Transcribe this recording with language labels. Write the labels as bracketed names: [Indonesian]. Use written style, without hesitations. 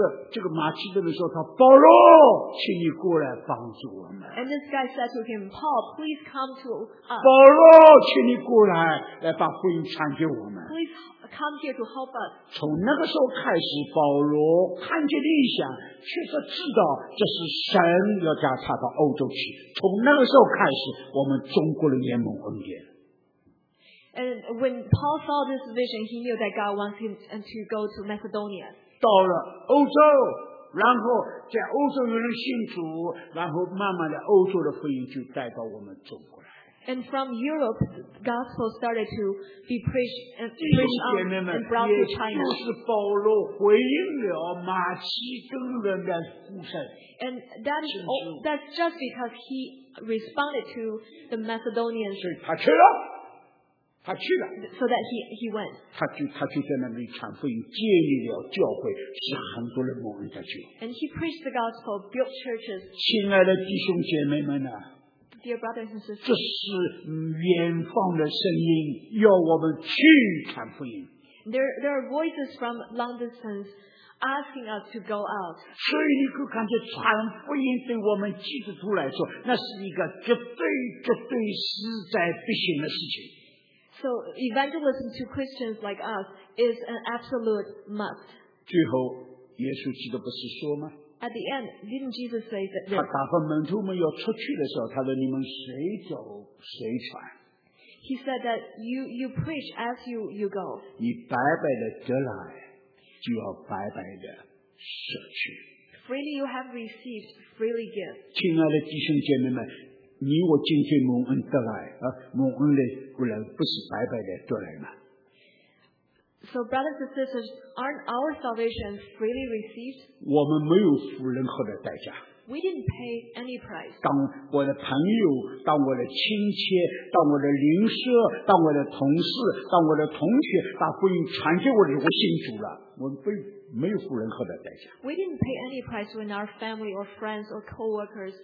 [Chinese] 这个马其顿人说，他保罗，请你过来帮助我们。 [English] And this guy said to him, Paul, please come to us. [Chinese] 保罗，请你过来，来把福音传给我们。 [English] Please come here to help us. [Chinese] 从那个时候开始，保罗看见异象，确实知道这是神要叫他到欧洲去。从那个时候开始，我们中国人也蒙恩典。 [English] And when Paul saw this vision, he knew that God wants him to go to Macedonia. [Chinese] 到了欧洲，然后在欧洲有人信主，然后慢慢的欧洲的福音就带到我们中国来。 [English] And from Europe, gospel started to be preached to China. [Chinese] 就是保罗回应了马其顿人的呼声。 [English] And that's just because he responded to the Macedonians. [Chinese] 所以他去了。他去了 [English] ，so that he went. [Chinese] 他就在那里传福音，建立了教会，使很多人蒙恩得救。 [English] And he preached the gospel, built churches. [Chinese] 亲爱的弟兄姐妹们呐、 [English] 啊、，Dear brothers and sisters, [Chinese] 这是远方的声音，要我们去传福音。 [English] There are voices from long distance asking us to go out. [Chinese] 所以你可看见传福音对我们基督徒来说，那是一个绝对绝对实在必行的事情。 [English] So evangelism to Christians like us is an absolute must. [Chinese] 最后，耶稣基督不是说吗 [English] ？At the end, didn't Jesus say that? [Chinese] 他打发门徒们要出去的时候，他说：“你们谁走谁传。 [English] ”He said that you preach as you go. [Chinese] 你白白的得来，就要白白的舍去。 [English] Freely you have received, freely give. [Chinese] 亲爱的弟兄姐妹们。你我今天蒙恩得来蒙恩的不然不是白白的得来吗 [English] So brothers and sisters, aren't our salvations freely received? [Chinese] 我们没有付任何的代价。 [English] We didn't pay any price. [Chinese] 当我的朋友，当我的亲戚，当我的邻舍，当我的同事，当我的同学，把福音传给我的，我信主了，我没有付任何的代价。 [English] We didn't pay any price when our family or friends or coworkers.